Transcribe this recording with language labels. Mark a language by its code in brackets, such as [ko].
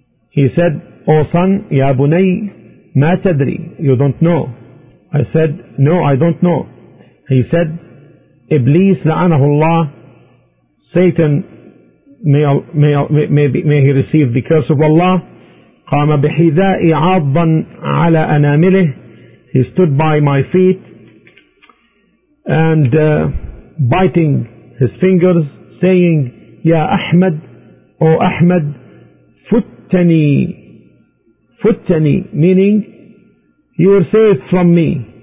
[en] He said, O son, [ar] Ya bunay, ma tadri, [en] you don't know. I said, no, I don't know. He said, Iblis [ar] la'anahu Allah, [en] Satan, may he receive the curse of Allah. [ar] قام بحذائي عاضا على أنامله. [en] He stood by my feet and biting his fingers, saying, [ar] يا أحمد, [en] O أحمد, [ar] فتني, فتني, [en] meaning, you were saved from me.